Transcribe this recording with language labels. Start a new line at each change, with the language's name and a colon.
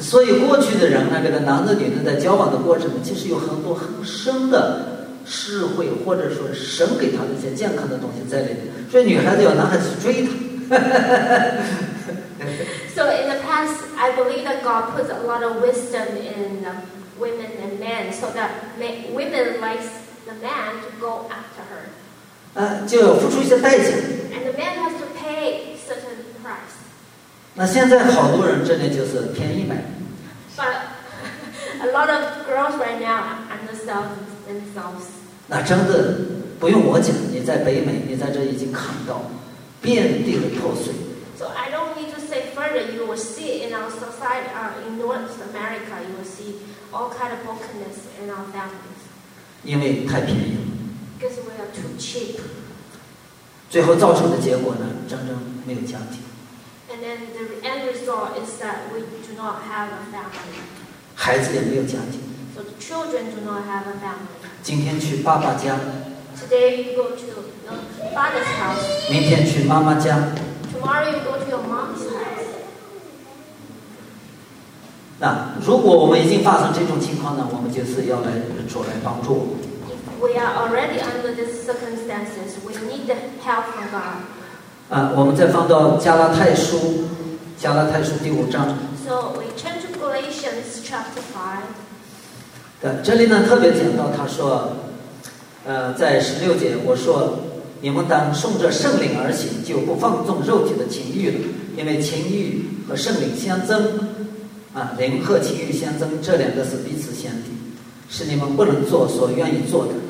Chinese: 所以过去的人，那个男的女的在交往的过程，其实有很多很深的智慧，或者说神给他的一些健康的东西在里面。所以女孩子要男孩子追她。
English: So in the past, I believe that God puts a lot of wisdom in women and men, so that women likes the man to go after her.
Chinese: 就付出一些代价。
English: And the man has to pay certain.
Chinese: 那现在好多人真的就是便宜买。
English: But a lot of girls right now undersell themselves.
Chinese: 那真的不用我讲，你在北美，你在这已经看到遍地的破碎。
English: So I don't need to say further. You will see in our society, in North America, you will see all kind of brokenness in our families.
Chinese: 因为太便宜了。
English: Because we are too cheap.
Chinese: 最后造成的结果呢，真正没有家庭。
English: And then the end result is that we do not have a family.
Chinese: 孩子也没有家庭。
English: So the children do not have a family.
Chinese: 今天去爸爸家。
English: Today you go to father's house.
Chinese: 明天去妈妈家。
English: Tomorrow you go to your mom's house.
Chinese: 那如果我们已经发生这种情况呢，我们就是要来主来帮助。
English: If we are already under these circumstances, we need the help from God.
Chinese: 我们再翻到加拉太书第五章。
English: So we turn to Galatians chapter 5.
Chinese: 对，这里呢特别讲到，他说，在十六节，我说，你们当顺着圣灵而行，就不放纵肉体的情欲了，因为情欲和圣灵相争，灵和情欲相争，这两个是彼此相敌，是你们不能做所愿意做的。